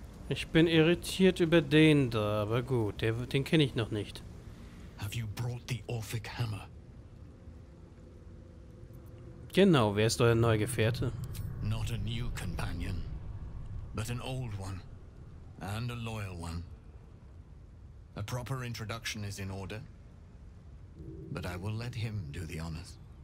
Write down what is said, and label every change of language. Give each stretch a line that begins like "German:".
German: Ich bin irritiert über den da, aber gut, den kenne ich noch nicht.
English: Have you brought the Orphic Hammer?
German: Genau, wer ist euer neuer Gefährte?
English: Not a new companion, but an old one. And a loyal one. A proper introduction is in order. But I will let him do the honors.